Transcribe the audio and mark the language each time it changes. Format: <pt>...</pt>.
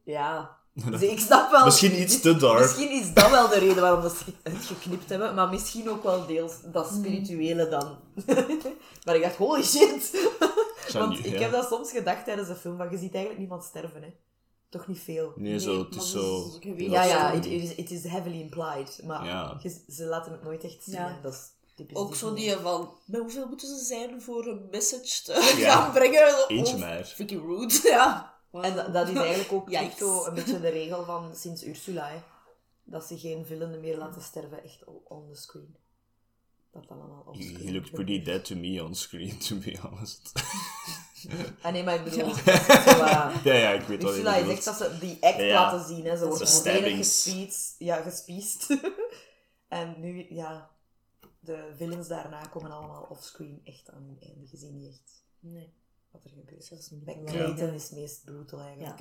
<nl>Ja. Dus ik snap wel... Misschien iets te dark. Misschien is dat wel de reden waarom we het geknipt hebben. Maar misschien ook wel deels dat spirituele dan. Maar ik dacht,</nl> <en>holy shit.</en> <nl>Want ik heb dat soms gedacht tijdens de film. Maar je ziet eigenlijk niemand sterven, hè. Toch niet veel. Nee, zo, het is zo...</nl> <en>Ja, it is heavily implied.</en> <nl>Maar ja. Ze laten het nooit echt zien. Ja. Dat is typisch. Ook zo die van... Maar hoeveel moeten ze zijn voor een message te gaan brengen? Eentje meer. Vicky Rude, ja. Wow. En dat is eigenlijk ook echt een beetje de regel van sinds Ursula, hè? Dat ze geen villain meer laten sterven, echt</nl> <en>on the screen.</en> <nl>Dat allemaal</nl> <en>on screen. He looked pretty dead to me on screen, to be honest.</en> <nl>Ah nee, maar ik bedoel... Ja, ik weet wel. Ursula is echt dat ze die act laten zien, hè. Ze wordt gewoon gespiest. En nu, ja, de villains daarna komen allemaal offscreen echt aan hun einde. Je ziet niet echt. Nee. Wat er gebeurt. Clayton is het meest brutal eigenlijk.</nl>